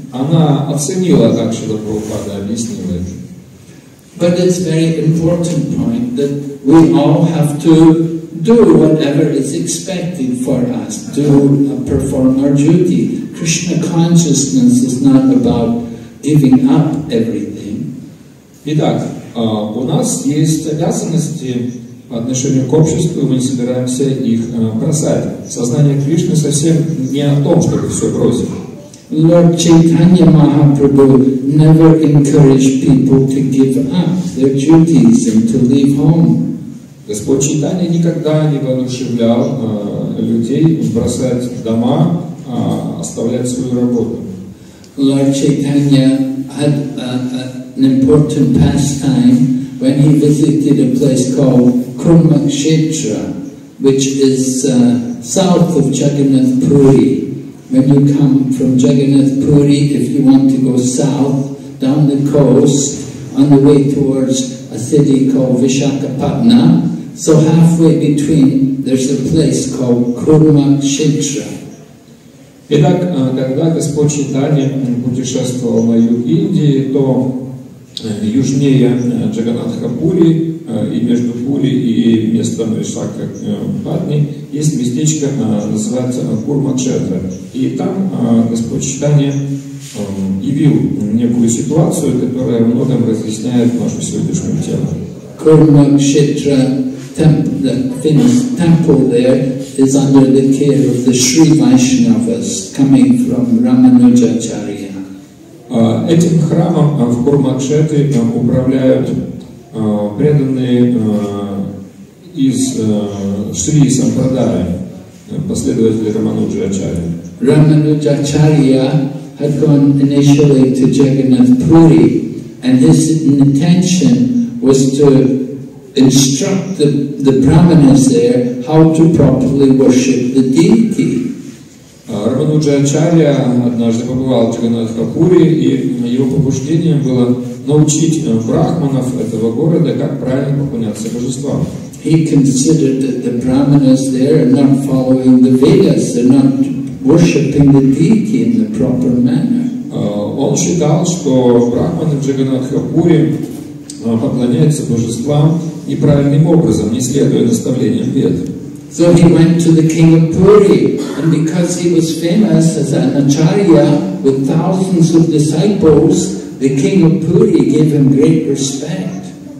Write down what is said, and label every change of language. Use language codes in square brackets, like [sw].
[ru] Она оценила так, что Прабхупада объяснил это. [en] But it's very important point that we all have to do whatever is expected for us. Do perform our duty. Krishna consciousness is not about giving up everything. [ru] Итак, у нас есть обязанности по отношению к обществу, мы не собираемся их бросать. Сознание Кришны совсем не о том, чтобы все бросить. [en] Lord Chaitanya Mahaprabhu never encouraged people to give up their duties and to leave home. [ru] Господь Чайтанья никогда не воодушевлял людей бросать дома, оставлять свою работу. [en] Lord Chaitanya had an important pastime when he visited a place called Kurukshetra, which is south of Jagannath Puri. When you come from Jagannath Puri, if you want to go south, down the coast, on the way towards a city called Vishakhapatnam, so halfway between, there's a place called Kurukshetra. [ru] Итак, когда Господь Чайтанья путешествовал на юг Индии, то южнее Джаганатха-Пури, и между Пури и местом Вишакхапатны, есть местечко, называется Курукшетра. И там Господь Чайтанья явил некую ситуацию, которая многим разъясняет нашу сегодняшнюю тему. [en] Курукшетра, the famous temple there, is under the care of the Sri Vaishnavas, coming from Рамануджачарья. [ru] Этим храмом в Курукшетре управляют преданные из Шри Сампрадая, последователи Рамануджачарья. [en] Рамануджачарья had gone initially to Jagannath Puri, and his intention was to instruct the brahmanas there how to properly worship the deity. [ru] Рамануджачарья однажды побывал в Джаганнатхапури, и его побуждением было научить брахманов этого города, как правильно поклоняться божествам. [en] He considered that the brahmanas there are not following the Vedas, they're not worshipping the deity in the proper manner. [ru] Он считал, что брахманы в Джаганнатхапури поклоняются божествам неправильным образом, не следуя наставлениям Вед. [en] So he went to the king of Puri, and because he was famous as an acharya with thousands of disciples, the king of Puri gave him great respect.